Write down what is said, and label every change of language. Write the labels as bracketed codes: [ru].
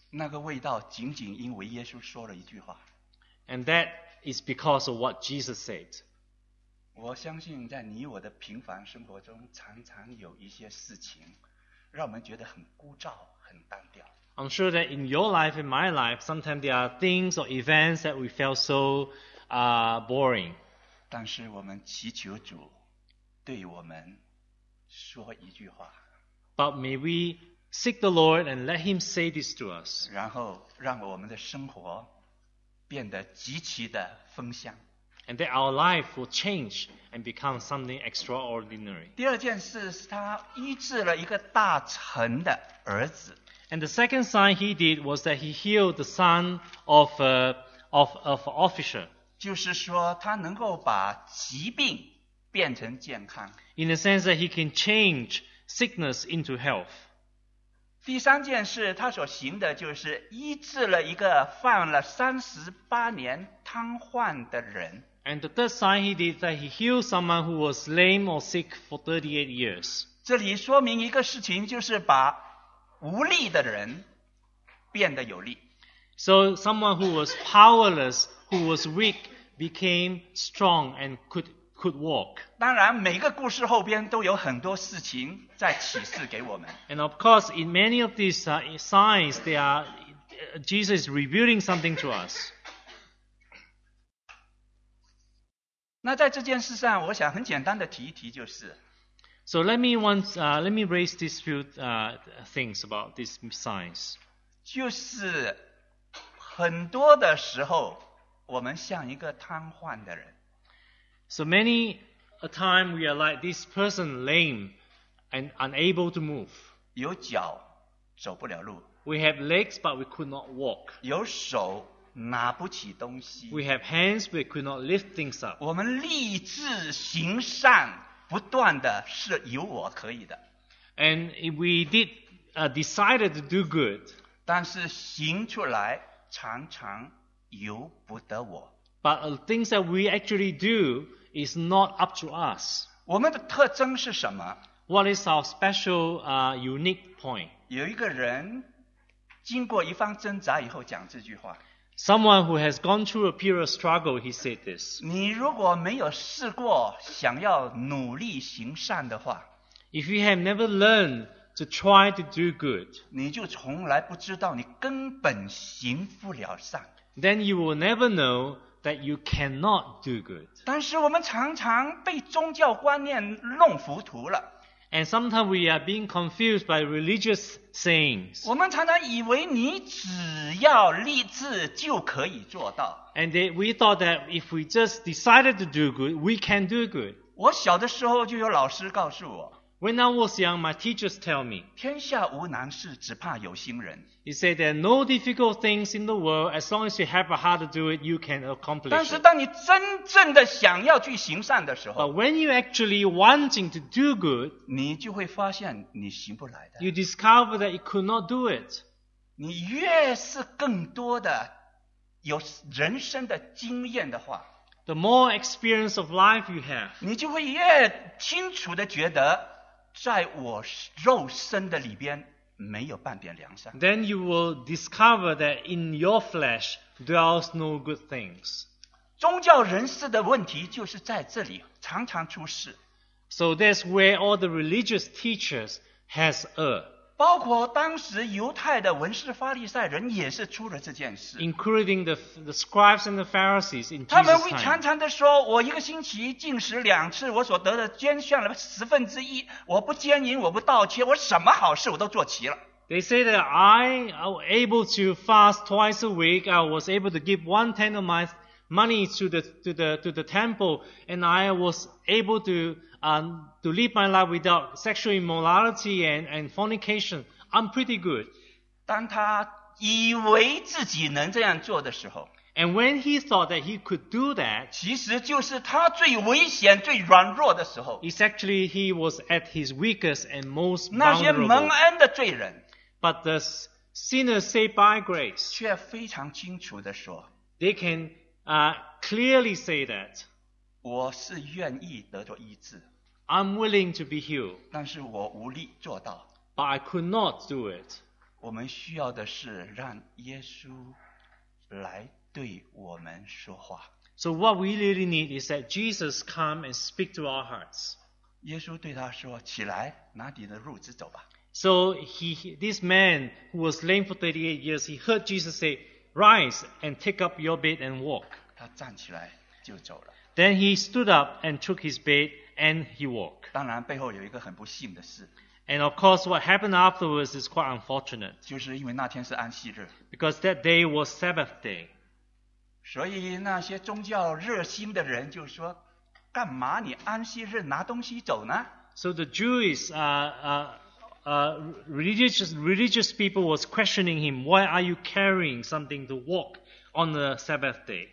[zh] 那个味道仅仅因为耶稣说了一句话。 [en] And that is because of what Jesus said. [zh] 我相信在你我的平凡生活中，常常有一些事情让我们觉得很枯燥、很单调。 [en] I'm sure that in your life, in my life, sometimes there are things or events that we felt so boring. [zh] 但是我们祈求主对我们说一句话。 [en] But may we seek the Lord and let Him say this to us. [zh] 然后让我们的生活变得极其的丰盛。 [en] And that our life will change and become something extraordinary. [zh] 第二件事是他医治了一个大臣的儿子。 [en] And the second sign he did was that he healed the son of an officer. [zh] 就是说他能够把疾病变成健康。 [en] In the sense that he can change sickness into health. [zh] 第三件事他所行的就是医治了一个犯了38年瘫痪的人。 [en] And the third sign he did that he healed someone who was lame or sick for 38 years. [zh] 这里说明一个事情就是把无力的人变得有力。 [en] So someone who was powerless, who was weak, became strong and could walk. [zh] 当然，每个故事后边都有很多事情在启示给我们。 [en] And of course, in many of these signs, there are Jesus revealing something to us. [zh] 那在这件事上，我想很简单的提一提就是。 [en] So let me raise these few things about these signs. [zh] 就是很多的时候，我们像一个瘫痪的人。 [en] So many a time we are like this person lame and unable to move. [zh] 有脚走不了路。 [en] We have legs, but we could not walk. [zh] 有手拿不起东西。 [en] We have hands, but we could not lift things up. [zh] 我们立志行善，不断的是由我可以的。 [en] And we did decided to do good. [zh] 但是行出来常常由不得我。 [en] But things that we actually do is not up to us. [zh] 我们的特征是什么？ [en] What is our special unique point? [zh] 有一个人经过一番挣扎以后讲这句话。 [en] Someone who has gone through a period of struggle, he said this. [zh] 你如果没有试过想要努力行善的话， [en] If you have never learned to try to do good, [zh] 你就从来不知道你根本行不了善。 [en] Then you will never know that you cannot do good. [zh] 但是我们常常被宗教观念弄糊涂了。 [en] And sometimes we are being confused by religious sayings. [zh] 我们常常以为你只要立志就可以做到。 [en] And they, we thought that if we just decided to do good, we can do good. [zh] 我小的时候就有老师告诉我。 [en] When I was young, my teachers tell me. [zh] 天下无难事，只怕有心人。 [en] He said that no difficult things in the world, as long as you have a heart to do it, you can accomplish. [zh] 但是当你真正的想要去行善的时候， [en] But when you actually wanting to do good, [zh] 你就会发现你行不来的。 [en] You discover that you could not do it. [zh] 你越是更多的有人生的经验的话， [en] The more experience of life you have, [zh] 你就会越清楚地觉得在我肉身的里边没有半点良善。 [en] Then you will discover that in your flesh dwells no good things. [zh] 宗教人士的问题就是在这里常常出事。 [en] So that's where all the religious teachers has erred. [zh] 包括当时犹太的文士法利赛人也是出了这件事。 [en] Including the scribes and the Pharisees in Jesus' time. [zh] 他们会常常的说，我一个星期禁食两次，我所得的捐献了十分之一，我不奸淫，我不盗窃，我什么好事我都做齐了。 [en] They say that I was able to fast twice a week, I was able to give one tenth of my money to the temple, and I was able to live my life without sexual immorality and fornication, I'm pretty good. [zh] 当他以为自己能这样做的时候， [en] And when he thought that he could do that, [zh] 其实就是他最危险最软弱的时候， [en] It's actually he was at his weakest and most vulnerable. [zh] 那些蒙恩的罪人， [en] But the sinners saved by grace, [zh] 却非常清楚地说， [en] They can clearly say that, [zh] 我是愿意得到医治。 [en] I'm willing to be healed. [zh] 但是我无力做到。 [en] But I could not do it. [zh] 我们需要的是让耶稣来对我们说话。 [en] So what we really need is that Jesus come and speak to our hearts. [zh] 耶稣对他说，起来，拿你的褥子走吧。 [en] So this man who was lame for 38 years, he heard Jesus say, rise and take up your bed and walk. [zh] 他站起来就走了。 [en] Then he stood up and took his bed and he walked. [zh] 当然背后有一个很不幸的事。 [en] And of course what happened afterwards is quite unfortunate. [zh] 就是因为那天是安息日。 [en] Because that day was Sabbath day. [zh] 所以那些宗教热心的人就说，干嘛你安息日拿东西走呢？ [en] So the Jewish religious people was questioning him, why are you carrying something to walk on the Sabbath day?